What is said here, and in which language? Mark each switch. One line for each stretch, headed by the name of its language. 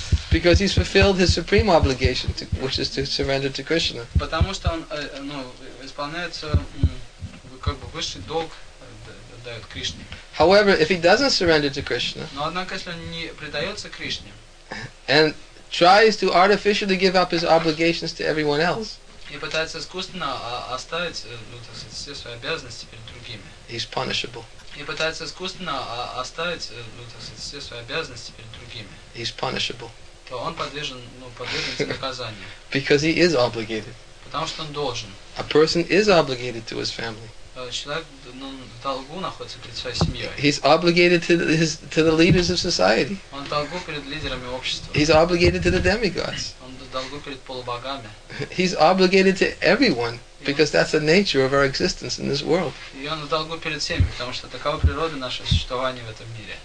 English: Because he's fulfilled his supreme obligation, which is to surrender to Krishna.
Russian: Потому что он, ну, исполняется, как бы высший долг дает Кришне.
English: However, if he doesn't surrender to Krishna,
Russian: но однако если он не предается Кришне,
English: and tries to artificially give up his obligations to everyone else,
Russian: и пытается искусственно оставить, ну, так сказать, все свои обязанности перед другими.
English: He's punishable.
Russian: И пытается искусственно оставить, ну, так сказать, все свои обязанности перед другими.
English: He's punishable.
Russian: То он подвержен, ну, подвергнется наказанию.
English: Because he is obligated.
Russian: Потому что он должен.
English: A person is obligated to his family.
Russian: Человек, ну, в долгу находится перед своей семьей.
English: He's obligated to the leaders of society.
Russian: Он в долгу перед лидерами общества.
English: He's obligated to the demigods.
Russian: Он в долгу перед полубогами.
English: He's obligated to everyone, because that's the nature of our existence in this world.
Russian: И он в долгу перед всеми, потому что такова природа нашего существования в этом мире.